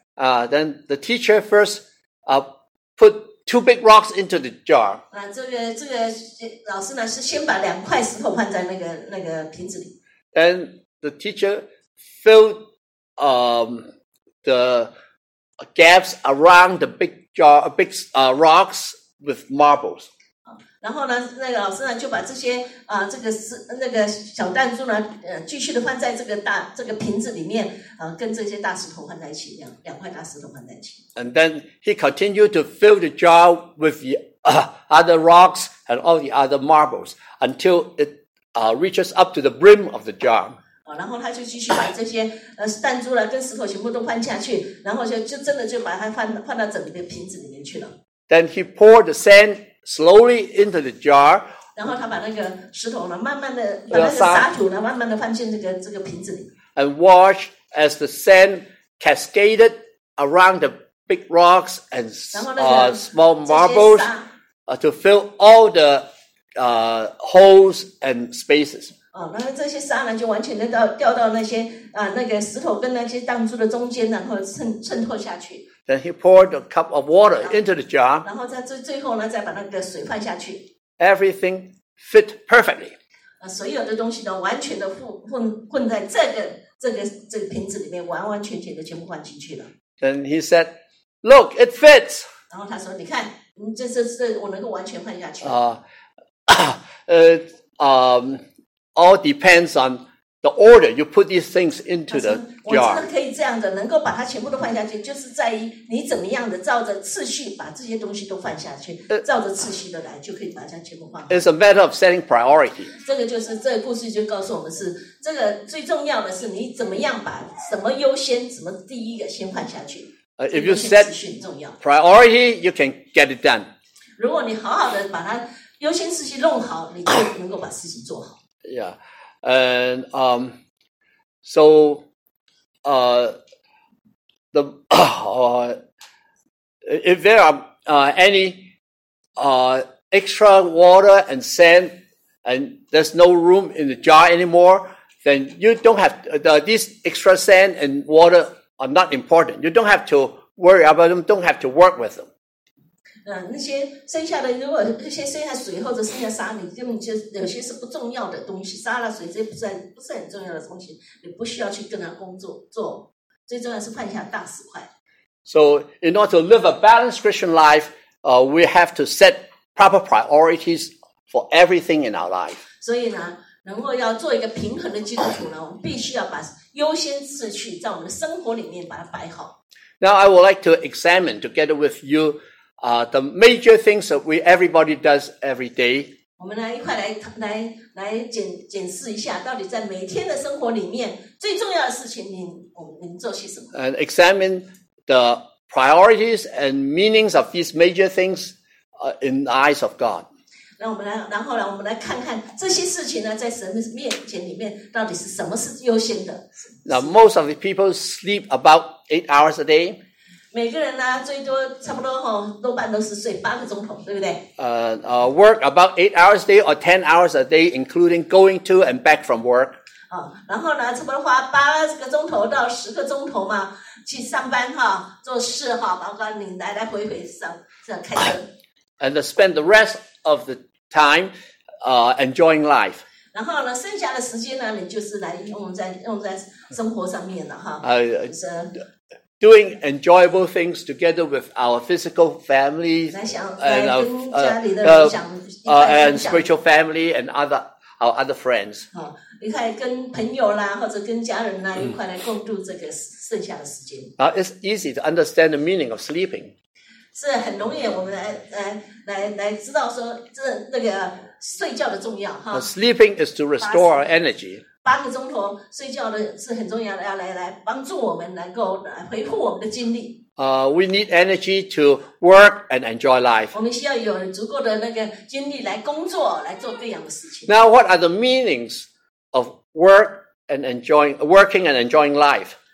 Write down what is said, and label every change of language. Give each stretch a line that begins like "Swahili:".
English: Then the teacher first put 2 big rocks into the jar.
Chinese: 这个老师呢是先把两块石头放在那个瓶子里。
English: Then the teacher filled the gaps around the big jar, big rocks with marbles.
Chinese: 然后呢，那个老师呢就把这些啊、这个那个小弹珠呢，继续的放在这个大这个瓶子里面，啊、跟这些大石头放在一起，两块大石头放在一起。
English: And then he continued to fill the jar with the、other rocks and all the other marbles until it、reaches up to the brim of the jar.、
Chinese: 然后他就继续把这些弹珠呢跟石头全部都放下去，然后就真的就把它放到整个瓶子里面去了。
English: Then he poured the sand. Slowly into the jar.
Chinese: 然后他把那个石头呢，慢慢的把那个沙土呢，慢慢的放进这个瓶子里。
English: And watch as the sand cascaded around the big rocks and、small marbles、to fill all the、holes and spaces.
Chinese: 哦，那这些沙呢，就完全的掉到那些啊、那个石头跟那些弹珠的中间，然后渗透下去。
English: Then he poured a cup of water into the jar.
Chinese: 然后在最后呢，再把那个水放下去。
English: Everything fit perfectly.
Chinese: 所有的东西呢，完全的混在这个瓶子里面，完完全全的全部放进去了。
English: Then he said, "Look, it fits."
Chinese: 然后他说，你看，这我能够完全放下去。
English: All depends on. The order you put these things into the jar.
Chinese: 我真的可以这样的，能够把它全部都放下去，就是在于你怎么样的照着次序把这些东西都放下去，照着次序的来，就可以把它全部放。
English: It's a matter of setting priority.
Chinese: 这个就是这个故事就告诉我们是，这个最重要的是你怎么样把什么优先，什么第一个先放下去。
English: If you set priority, you can get it done.
Chinese: 如果你好好的把它优先次序弄好，你就能够把事情做好。
English: Yeah. And if there are extra water and sand, and there's no room in the jar anymore, then you don't have this extra sand and water are not important. You don't have to worry about them. Don't have to work with them.
Chinese: 那些剩下的，如果那些剩下水或者剩下沙，你根本就有些是不重要的东西，沙了水这些不是很重要的东西，你不需要去跟他工作做。最重要是放下大石块。
English: So in order to live a balanced Christian life, we have to set proper priorities for everything in our life.
Chinese: 所以呢，能够要做一个平衡的基督徒呢，我们必须要把优先次序在我们的生活里面把它摆好。
English: Now I would like to examine together with you. The major things that everybody does every day.
Chinese: 我们来一块来检视一下，到底在每天的生活里面最重要的事情，您做些什么
English: ？And examine the priorities and meanings of these major things, in the eyes of God.
Chinese: 然后呢，我们来看看这些事情呢，在神面前里面到底是什么是优先的
English: ？Now most of the people sleep about 8 hours a day.
Chinese: 每个人呢、最多差不多、多半都是睡8个钟头，对不对？
English: Work about 8 hours a day or 10 hours a day, including going to and back from work.
Chinese: 然后呢，差不多花8个钟头到10个钟头嘛，去上班哈、做事哈、包括你来来回回上开车。
English: And spend the rest of the time, enjoying life.
Chinese: 然后呢，剩下的时间呢，你就是来用在生活上面了哈。
English: Doing enjoyable things together with our physical family and our spiritual family and our other friends.
Chinese: 你可以跟朋友啦，或者跟家人啦，一块来共度这个剩下的时间。
English: It's easy to understand the meaning of sleeping.
Chinese: 是很容易，我们来知道说那个睡觉的重要哈。
English: Sleeping is to restore our energy.
Chinese: 八个钟头睡觉的是很重要的，要来帮助我们能够来恢复我们的精力。
English: We need energy to work and enjoy life.
Chinese: 我们需要有足够的那个精力来工作，来做各样的事情。
English: Now, what are the meanings of work and working and enjoying life?